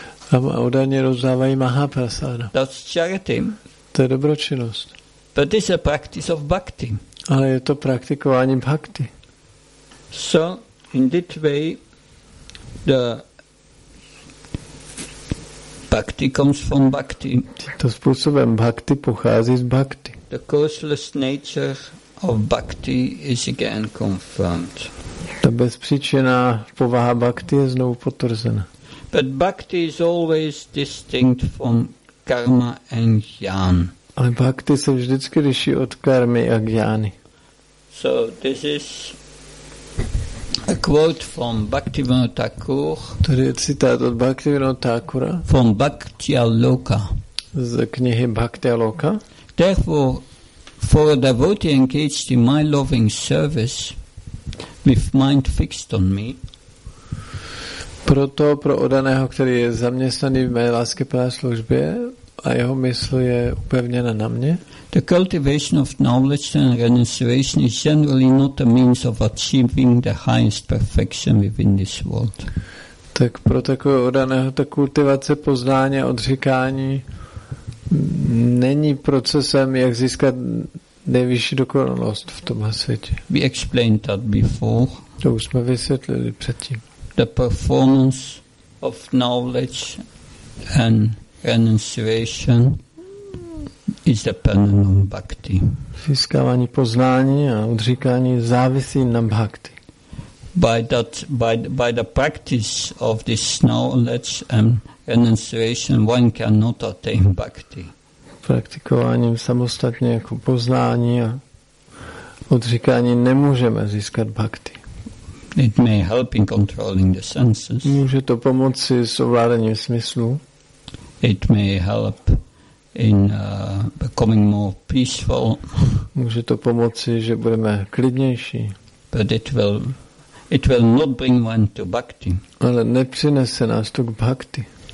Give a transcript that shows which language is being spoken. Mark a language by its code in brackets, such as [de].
[cs] A údajně rozdávají Mahaprasada. [en] That's charity. [cs] To je dobročinnost. [en] But this is a practice of bhakti. [cs] Ale je to praktikování bhakti. [en] So in this way the bhakti comes from bhakti. [cs] Tímto způsobem bhakti pochází z bhakti. [en] The causeless nature of bhakti is again confirmed. [cs] Ta bezpříčinná povaha bhakti je znovu potvrzena. [en] But bhakti is always distinct from karma and jnana. [cs] Ale bhakti se vždycky liší od karmy a jnany. [en] So this is a quote from Bhaktivinoda Thakur. [cs] Tady je citát od Bhaktivinoda Thakura. [en] From Bhaktya Loka. [cs] Z knihy Bhaktya Loka. [en] Therefore, for a devotee engaged in my loving service, with mind fixed on me. [cs] Proto pro oddaného, který je zaměstnaný v mé láskyplné službě a jeho mysl je upevněna na mě. [en] The cultivation of knowledge and renunciation is generally not a means of achieving the highest perfection within this world. [cs] Tak pro takového oddaného ta kultivace poznání a odříkání není procesem, jak získat nejvyšší dokonalost v tomhle světě. [en] We explained that before. [cs] To už jsme vysvětlili předtím. [en] The performance of knowledge and renunciation is dependent on bhakti. [cs] Získávání poznání a odříkání závisí na bhakti. [en] By the practice of this knowledge and renunciation, one cannot attain bhakti. [cs] Praktikováním samostatně jako poznání a odříkání nemůžeme získat bhakti. [en] It may help in controlling the senses. [cs] Může to pomoci s ovládáním smyslu. [en] It may help in becoming more peaceful. [cs] Může to pomoci, že budeme klidnější. [en] But it will not bring one to bhakti. [cs] Ale nepřinese nás to k bhakti.